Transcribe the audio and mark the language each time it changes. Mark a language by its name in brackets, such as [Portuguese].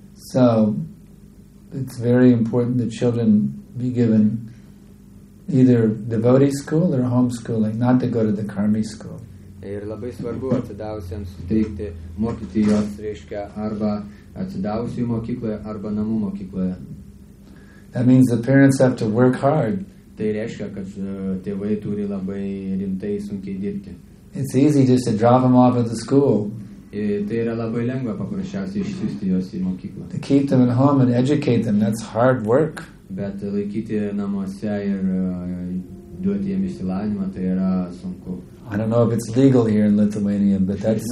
[English] So, it's very important that children be given either devotee school or homeschooling, not to go to the karmi school. [Lithuanian] Ir labai svarbu atsidavusiems suteikti mokyti jos, reiškia, arba atsidavusių mokykloje, arba namų mokykloje. [English] That means the parents have to work hard. [Lithuanian] Tai reiškia, kad tėvai turi labai rimtai sunkiai dirbti. [English] It's easy just to drop them off at the school. [Lithuanian] Tai yra labai lengva paprasčiausiai išsiųsti jos į mokyklą. [English] To keep them at home and educate them, that's hard work. [Lithuanian] Bet laikyti namuose ir duoti jiems išsilavinimą, tai yra sunku. [English] I don't know if it's legal here in Lithuania, but that's...